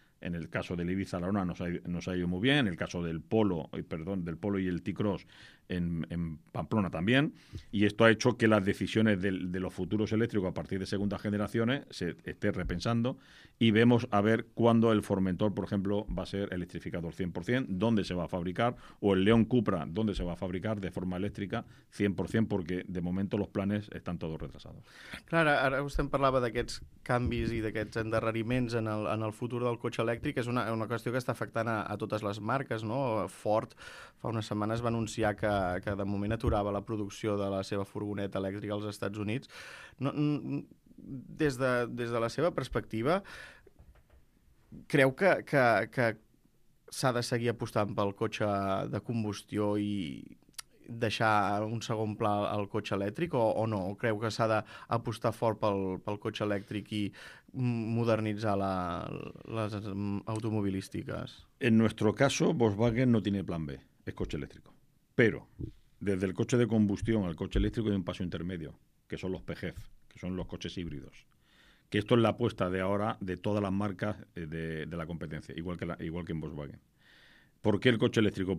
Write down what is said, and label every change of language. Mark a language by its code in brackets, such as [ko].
[es] En el caso del Ibiza-Larona nos ha ido muy bien, en el caso del Polo y el T-Cross en Pamplona también, y esto ha hecho que las decisiones de los futuros eléctricos a partir de segundas generaciones se esté repensando y vemos a ver cuándo el Formentor, por ejemplo, va a ser electrificado al 100%, dónde se va a fabricar, o el León Cupra, dónde se va a fabricar de forma eléctrica 100%, porque de momento los planes están todos retrasados. [ca] Clara, ara vostè em parlava d'aquests canvis i d'aquests endarreriments en el futur del cotxe elèctric, és una qüestió que està afectant a totes les marques, no? Ford fa unes setmanes va anunciar que de moment aturava la producció de la seva furgoneta elèctrica als Estats Units. No, des de la seva perspectiva, creu que s'ha de seguir apostant pel cotxe de combustió i deixar un segon pla al cotxe elèctric o no? Creu que s'ha d'apostar fort pel cotxe elèctric i modernitzar les automobilístiques? [es] En nuestro caso, Volkswagen no tiene plan B, es coche eléctrico. Pero desde el coche de combustión al coche eléctrico hay un paso intermedio, que son los PHEV, que son los coches híbridos. Que esto es la apuesta de ahora de todas las marcas de la competencia, igual que en Volkswagen. ¿Por qué el coche eléctrico?